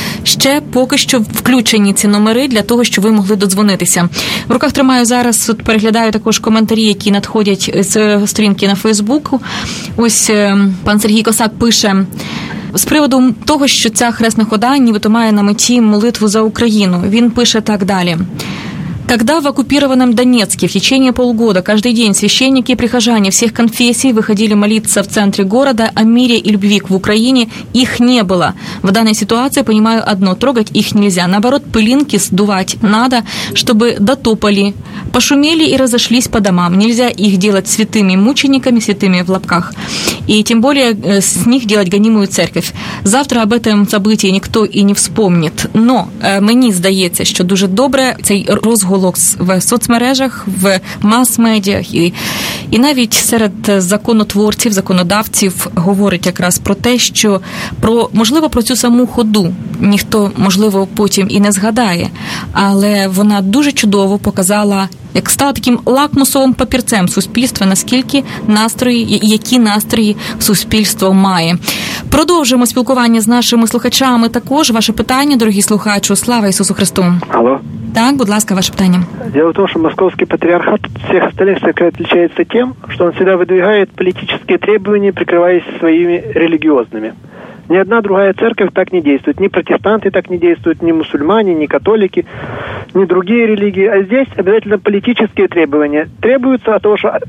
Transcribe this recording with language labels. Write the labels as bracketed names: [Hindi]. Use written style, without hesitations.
[Ukrainian] Ще поки що включені ці номери для того, щоб ви могли додзвонитися. В руках тримаю зараз, от переглядаю також коментарі, які надходять з сторінки на Фейсбуку. Ось пан Сергій Косак пише... З приводу того, що ця хресна хода нібито має на меті молитву за Україну, він пише так далі. [Russian] Когда в оккупированном Донецке в течение полугода каждый день священники и прихожане всех конфессий выходили молиться в центре города о мире и любви к Украине, их не было. В данной ситуации, понимаю одно, трогать их нельзя. Наоборот, пылинки сдувать надо, чтобы дотопали, пошумели и разошлись по домам. Нельзя их делать святыми мучениками, святыми в лапках. И тем более с них делать гонимую церковь. Завтра об этом событии никто и не вспомнит. Но мне [Ukrainian] здається, що дуже добре цей розгул голос в соцмережах, в мас-медіа і навіть серед законотворців, законодавців говорить якраз про те, що про можливо про цю саму ходу ніхто, можливо, потім і не згадає, але вона дуже чудово показала, як стала таким лакмусовим папірцем суспільства, наскільки настрої, які настрої суспільство має. Продовжимо спілкування з нашими слухачами. Також ваше питання, дорогі слухачі, слава Ісусу Христу. Алло. Так, будь ласка, ваше питання. [Russian] Дело в том, что московский патриархат от всех остальных церквей отличается тем, что он всегда выдвигает политические требования, прикрываясь своими религиозными. Ни одна другая церковь так не действует. Ни протестанты так не действуют, ни мусульмане, ни католики, ни другие религии. А здесь обязательно политические требования требуются от того, что...